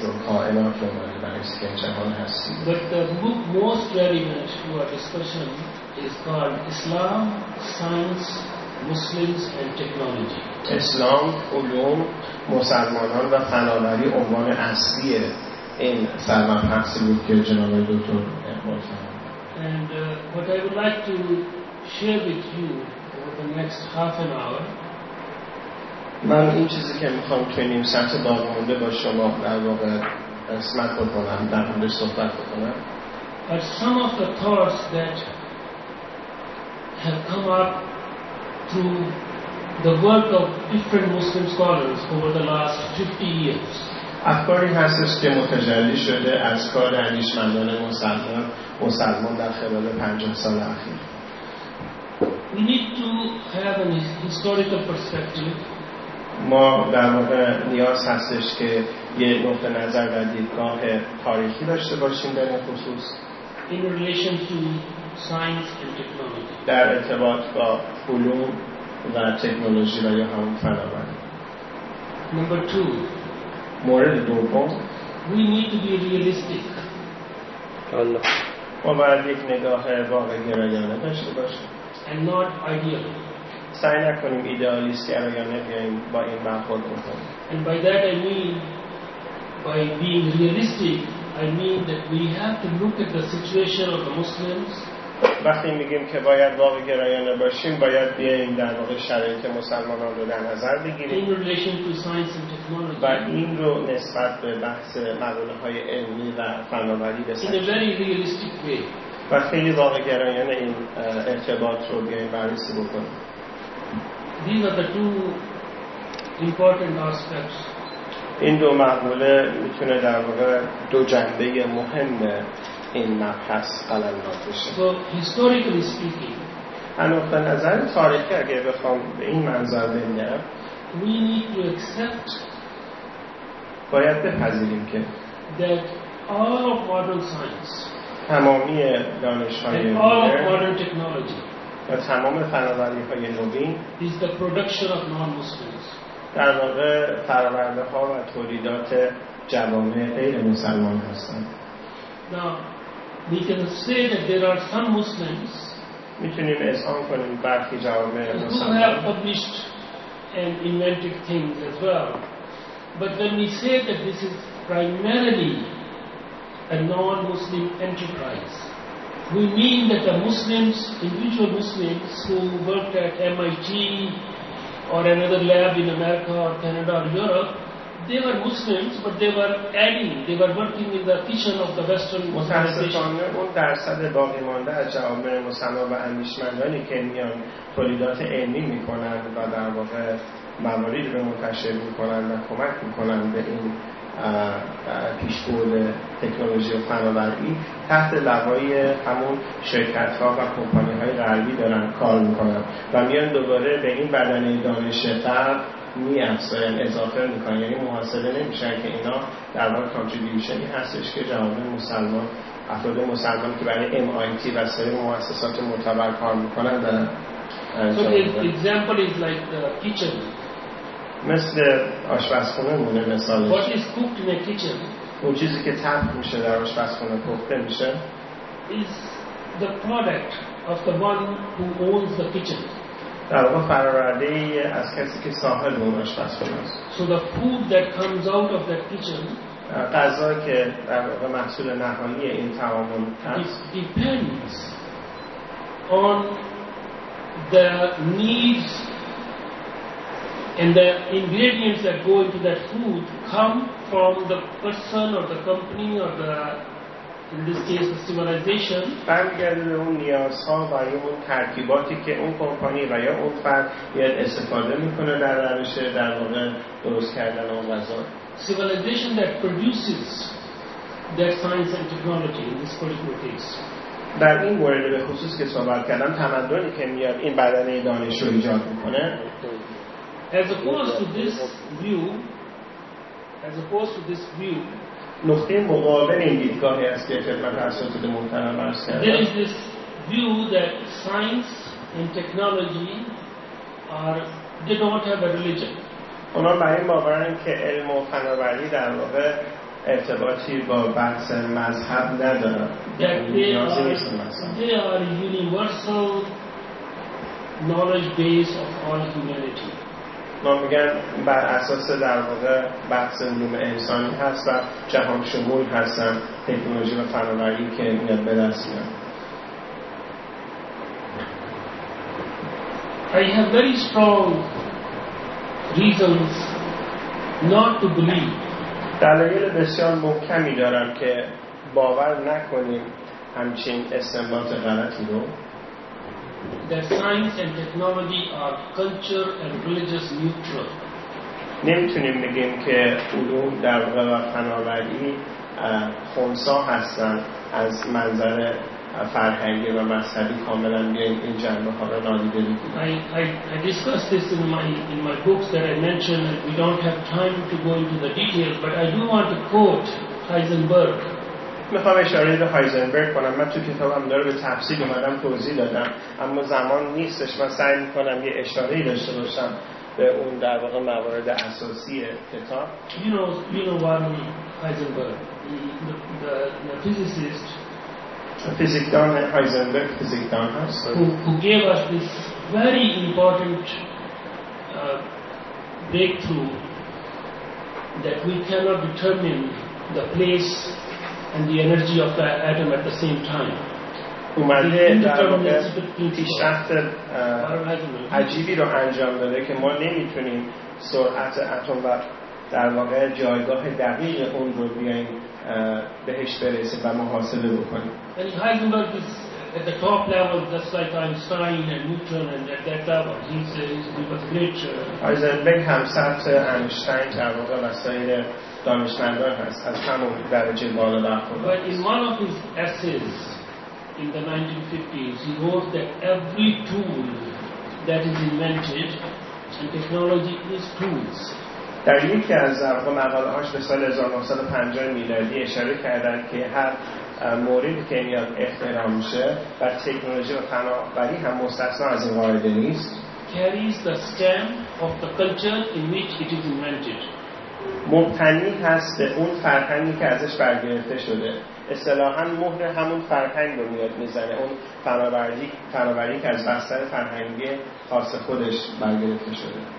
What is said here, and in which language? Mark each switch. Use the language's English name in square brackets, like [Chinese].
[Persian] رو کائنات رو مورد بررسی که جهان هستی. [English] But the book most relevant to our discussion is called Islam, Science, Muslims and Technology. [Persian] اسلام، علوم، مسلمانان و فناوری عنوان اصلی این سرمبحثی بود که جناب دکتر اقبال فرمودند. [English] And what I would like to share with you over the next half an hour. [Persian] من این چیزی که میخوام توی نیم ساعت باقی مونده با شما در واقع قسمت بکنم، در مورد صحبت بکنم. [English] But some of the thoughts that have come up to the work of different Muslim scholars over the last 50 years. [Persian] افکاری هستش که متجلی شده از کار اندیشمندان مسلمان در خلال 50 سال اخیر. [English] We need to have an historical perspective. [Persian] ما در واقع نیاز هستش که یه نقطه نظر و دیدگاه تاریخی داشته باشیم در این خصوص. [English] In relation to science and technology. [Persian] در ارتباط با علوم و تکنولوژی و یا همون فناوری. [English] Number two. [Persian] مورد دوم. [English] We need to be realistic. [Persian] الله. ما باید یک نگاه واقع‌گرایانه داشته باشیم. [English] And not ideal. [Persian] سعی نکنیم ایدئالیستی را یا نبیاییم با این برخورد بکنیم. [English] And by that I mean, by being realistic, I mean that we have to look at the situation of the Muslims. [Persian] وقتی میگیم که باید واقع‌گرایانه باشیم، باید بیاییم در واقع شرایط مسلمانان رو در نظر بگیریم. [English] In relation to science and technology. [Persian] و این رو نسبت به بحث مقوله‌های علمی و فناوری بسنجیم. [English] In a very realistic way. [Persian] و خیلی واقع‌گرایانه این ارتباط رو بیاییم بررسی بکنیم. [English] These are the two important aspects. [Persian] این دو مقوله میتونه در واقع دو جنبه مهم این مبحث قلم داد بشه. [English] So historically speaking, [Persian] انوخت نظر تاریخی اگه بخوام به این منظر بگم، [English] we need to accept. [Persian] باید بپذیریم که [English] that all of modern science, [Persian] تمامی دانش‌های [English] modern, all of modern technology. [Persian] و تمام فناوری‌های نوین [English] is the production of non-Muslims. [Persian] در واقع فرآورده‌ها و تولیدات جوامع غیر مسلمان هستند. [English] Now we can say that there are some Muslims. [Persian] می‌تونیم اذعان کنیم برخی جوامع مسلمان [English] who have published and invented things as well. But when we say that this is primarily a non-Muslim enterprise, we mean that the Muslims, individual Muslims who worked at MIT or another lab in America or Canada or Europe, they were Muslims, but they were adding, they were working in the kitchen of the Western civilization. [Persian] اون درصد باقی مانده از جوامع مسلمان و اندیشمندانی که میان تولیدات علمی میکنن و در واقع موارد رو منتشر میکنن و کمک میکنن به این پیشبرد تکنولوژی و فناوری، تحت لوای همون شرکت ها و کمپانی های غربی دارن کار میکنن و میان دوباره به این بدنه دانش غرب میافزاین، اضافه میکنن. یعنی محاسبه نمیشن که اینا در واقع کانتریبیوشنی هستش که جوامع مسلمان، افراد مسلمان که برای MIT و سایر مؤسسات معتبر کار میکنن دارن. [English] So the example is like the kitchen. [Persian] مثل آشپزخونه مونه مثالش. [English] What is cooked in a kitchen? [Persian] اون چیزی که تبخ میشه در آشپزخونه پخته میشه. [English] Is the product of the one who owns the kitchen. [Persian] در واقع فرآورده ای از کسی که صاحب اون آشپزخونه است. [English] So the food that comes out of that kitchen. [Persian] غذا که در واقع محصول نهایی این تعامل هست. [English] Depends on the needs. And the ingredients that go into that food come from the person or the company or the, in this case, the civilization. [Persian] برگرده اون نیازها و یا اون ترکیباتی که اون کمپانی و یا اون فرد یاد استفاده میکنه در روش در واقع درست کردن اون غذا. [English] Civilization that produces that science and technology in this particular case. [Persian] در این مورد به خصوص که صحبت کردم، تمدنی که میاد این بدنه دانش رو ایجاد میکنه. [English] As opposed to this view, [Persian] نقطه مقابل این دیدگاهی است که خدمت اساتید محترم عرض کردم. [English] There is this view that science and technology are, they don't have a religion. [Persian] اونا به این باورن که علم و فناوری در واقع ارتباطی با بحث مذهب ندارن. [English] They are universal knowledge base of all humanity. [Persian] ما میگن بر اساس در واقع بحث علوم انسانی هست و جهان شمول هستن تکنولوژی و فناوری که میاد به دست میاد. [English] I have very strong reasons not to believe. [Persian] دلایل بسیار محکمی دارم که باور نکنیم همچین استنباط غلطی رو. [English] That science and technology are culture and religious neutral. [Persian] نمیتونیم بگیم که علوم در واقع و فناوری خونسا هستن از منظر فرهنگی و مذهبی کاملا بیاییم این جنبه ها را نادیده بگیم. [English] I discussed this in my books that I mentioned that we don't have time to go into the details, but I do want to quote Heisenberg. [Persian] میخوام اشاره به هایزنبرگ کنم. من تو کتابم داره به تفصیل اومدم توضیح دادم اما زمان نیستش. من سعی میکنم یه اشارهی داشته باشم به اون در واقع موارد اساسی کتاب. [English] You know Heisenberg, the physicist, a physicist, Heisenberg, physicist, who gave us this very important breakthrough that we cannot determine the place and the energy of the atom at the same time. [Persian] اومده در واقع پیشرفت عجیبی رو انجام داده که ما نمیتونیم سرعت اتم و در واقع جایگاه دقیق اون رو بیاییم بهش برسیم و محاسبه بکنیم. [English] Heisenberg is at the top level just like Einstein and Newton and at that level he was great. [Persian] Heisenberg هم سطح انشتین در واقع و سایر دانشمندان هست از همون درجه بالا برخورد. [English] But in one of his essays in the 1950s, he wrote that every tool that is invented in technology is tools. [Persian] در یکی از مقاله‌هاش به سال 1950 میلادی اشاره کردن که هر موردی که میاد اختراع میشه و تکنولوژی و فناوری هم مستثنا از این قاعده نیست. [English] Carries the stamp of the culture in which it is invented. [Persian] مبتنی هست به اون فرهنگی که ازش برگرفته شده. اصطلاحاً مهر همون فرهنگ رو میاد میزنه، اون فناوری که از بستر فرهنگی خاص خودش برگرفته شده.